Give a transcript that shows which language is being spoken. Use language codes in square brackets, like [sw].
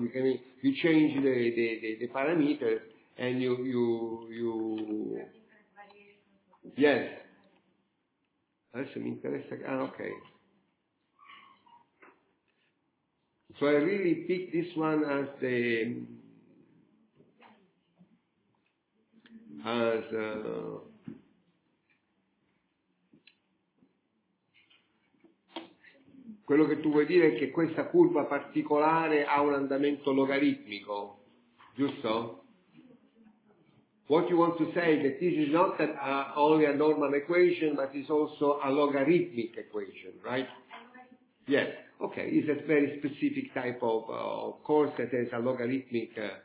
[en] You change the parameters and you... Yes. [it] Adesso mi interessa... [en] Ah, okay. So I really picked this one as the... [it] As quello che tu vuoi dire è che questa curva particolare ha un andamento logaritmico, giusto? [en] What you want to say that this is not only a normal equation, but it's also a logarithmic equation, right? Yes. Okay. It's a very specific type of course that has a logarithmic.